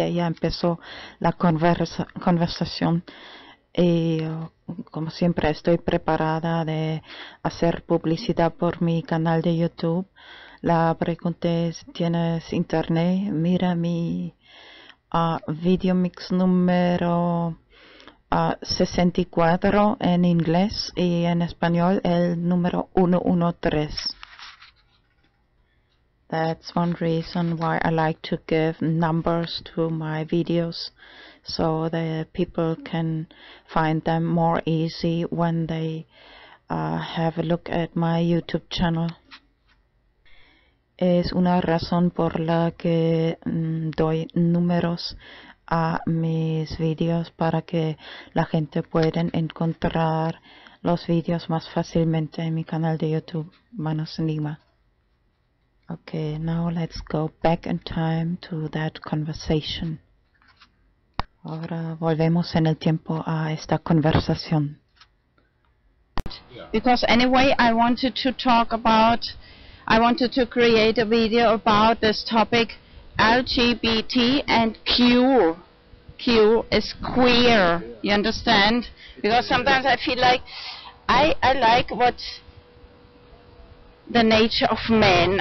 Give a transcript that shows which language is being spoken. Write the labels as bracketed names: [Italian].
[Spanish] Ella empezó la conversación y yo, como siempre, estoy preparada de hacer publicidad por mi canal de YouTube. La pregunté, ¿tienes internet? Mira mi video mix número 64 en inglés y en español el número 113. [English] That's one reason why I like to give numbers to my videos, so the people can find them more easy when they have a look at my YouTube channel. [Spanish] Es una razón por la que doy números a mis videos para que la gente pueda encontrar los videos más fácilmente en mi canal de YouTube, Manos Enigma. [English] Okay, now let's go back in time to that conversation. [Spanish] Ahora volvemos en el tiempo a esta conversación. [English] Because anyway, I wanted to create a video about this topic, LGBT and Q. Q is queer, you understand? Because sometimes I feel like I like what the nature of men.